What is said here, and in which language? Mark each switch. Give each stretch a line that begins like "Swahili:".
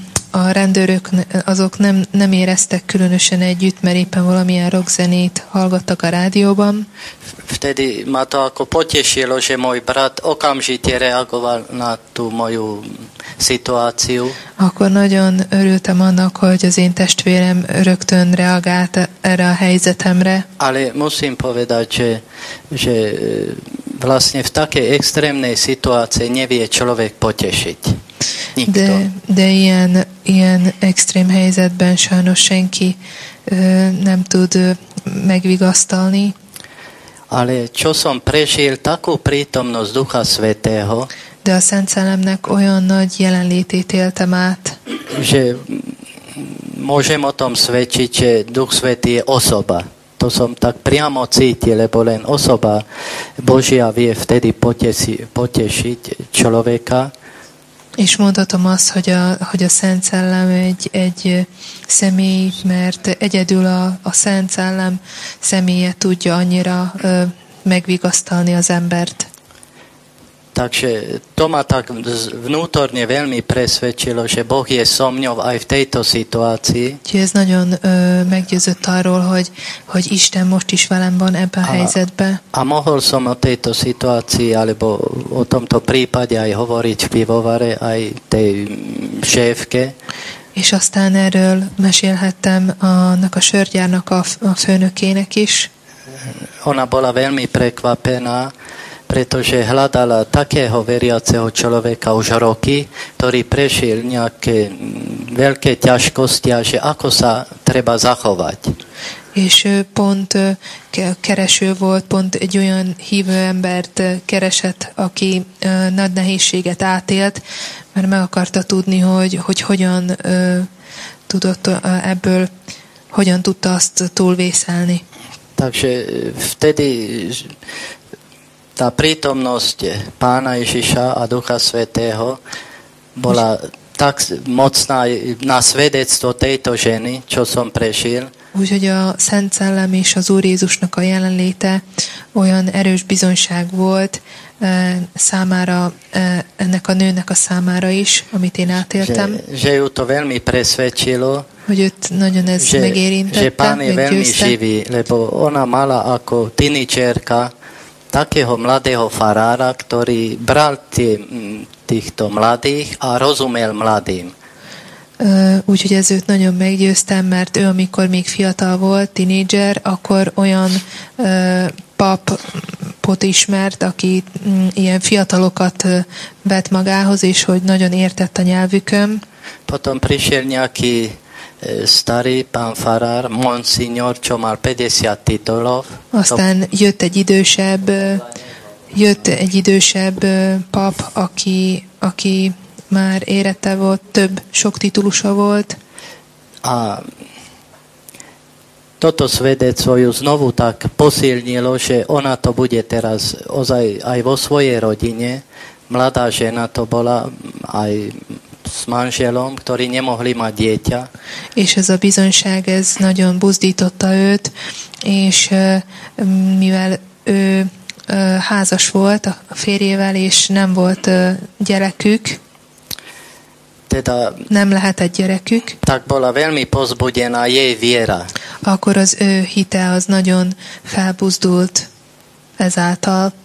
Hungarian: A rendőrök azok nem éreztek különösen együtt, mert éppen valamilyen rockzenét hallgattak a rádióban.
Slovak: Vtedy ma to ako potešilo, že môj brat okamžite reagoval na tú moju situáciu.
Hungarian: Akkor nagyon örültem annak, hogy az én testvérem rögtön reagált erre a helyzetemre.
Slovak: Ale musím povedať, že vlastne v takej extrémnej situácii nevie človek potešiť. Nikto.
Hungarian: De ilyen extrém helyzetben sajnos senki nem tud megvigasztalni.
Slovak: Ale čo som prežil, takú prítomnosť Ducha Svätého.
Hungarian: De a Szent Szellemnek olyan nagy jelenlétét éltem át.
Slovak: Že môžem o tom svedčiť, že Duch Svätý je osoba. To som tak priamo cítil, lebo len osoba Božia vie vtedy potešiť človeka.
Hungarian: És mondhatom azt, hogy a Szent Szellem egy személy, mert egyedül a Szent Szellem személye tudja annyira megvigasztalni az embert.
Slovak: Takže to ma tak vnútorne veľmi presvedčilo, že Boh je so mňou aj v tejto situácii. Čiže
Hungarian: ez nagyon meggyőzött arról, hogy Isten most is velem van ebben a helyzetben.
Slovak: A mohol som o tejto situácii, alebo o tomto prípade aj hovoriť v pivovare, aj tej šéfke.
Hungarian: És aztán erről mesélhettem annak a sörgyárnak a főnökének is.
Slovak: Ona bola veľmi prekvapená, pretože hľadala takého veriaceho človeka už roky, ktorý prešiel nejaké veľké ťažkosti a že ako sa treba zachovať.
Hungarian: És pont kereső volt, pont egy olyan hívő embert keresett, aki nagy nehézséget átélt, mert meg akarta tudni, hogy hogyan tudott ebből, hogyan tudta azt túlvészelni.
Slovak: Takže vtedy tá prítomnosť Pána Ježiša a Ducha Svätého bola tak mocná na svedectvo tejto ženy, čo som prežil.
Hungarian: Úgyhogy a Szent Szellem és az Úr Jézusnak a jelenléte olyan erős bizonyság volt számára, ennek a nőnek a számára is, amit én átéltem.
Slovak: Že ju to veľmi presvedčilo,
Hungarian: hogy őt nagyon ez megérintette,
Slovak: že Pán je veľmi živý, lebo ona mala ako tínedžerka takého mladého farára, ktorý bral týchto mladých a rozumel mladým.
Hungarian: Úgyhogy ez őt nagyon meggyőztem, mert ő, amikor még fiatal volt, tínédzser, akkor olyan papot ismert, aki ilyen fiatalokat vett magához, és hogy nagyon értett a nyelvükön.
Slovak: Potom prišiel nejaký starý pán farár, monsignor, čo mal 50 titulov.
Hungarian: Aztán jött egy idősebb pap, aki már érette volt, több, sok titulusa volt.
Slovak: A toto svedectvo ju znovu tak posilnilo, že ona to bude teraz ozaj aj vo svojej rodine. Mladá žena to bola aj s manželom, ktorí nemohli mať dieťa.
Hungarian: És ez a bizonyság, ez nagyon buzdította őt, és mivel ő házas volt a férjével, és nem volt gyerekük,
Slovak: teda,
Hungarian: nem lehetett gyerekük,
Slovak: tak bola veľmi pozbudená jej viera.
Hungarian: Akkor az ő hite az nagyon felbuzdult ezáltal.